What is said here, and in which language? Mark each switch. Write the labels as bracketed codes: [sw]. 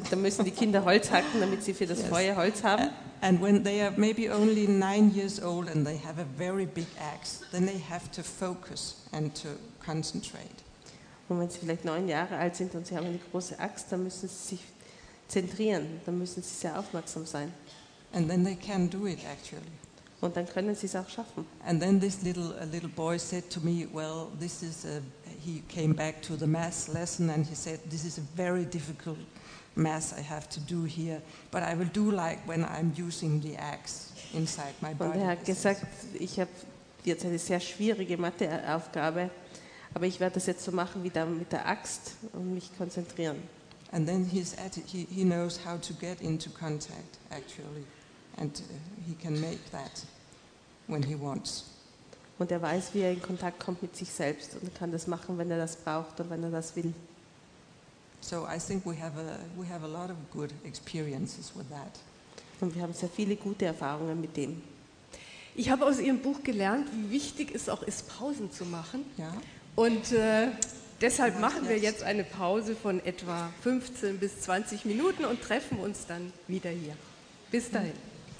[de] Da müssen die Kinder Holz hacken, damit sie für das Feuer Holz haben. [en] And when they are maybe only 9 years old and they have a very big axe, then they have to focus and to concentrate. [de] Und wenn sie vielleicht 9 Jahre alt sind und sie haben eine große Axt, dann müssen sie sich zentrieren, dann müssen sie sehr aufmerksam sein. [en] And then they can do it actually. [de] Und dann können sie es auch schaffen. [en] And then this little boy said to me, well, this is a, he came back to the math lesson and he said, this is a very difficult math I have to do here, but I will do like when I'm using the axe inside my body. [de] Und er hat gesagt, ich habe jetzt eine sehr schwierige Matheaufgabe, aber ich werde das jetzt so machen wie da mit der Axt und mich konzentrieren. [en] And then he knows how to get into contact actually. And he can make that. when he wants. [de] Und er weiß, wie er in Kontakt kommt mit sich selbst und kann das machen, wenn er das braucht und wenn er das will. [en] So I think we have a lot of good experiences with that. [de] Und wir haben sehr viele gute Erfahrungen mit dem. Ich habe aus Ihrem Buch gelernt, wie wichtig es auch ist, Pausen zu machen. Ja. Und deshalb machen wir jetzt eine Pause von etwa 15 bis 20 Minuten und treffen uns dann wieder hier. Bis dahin. Mhm.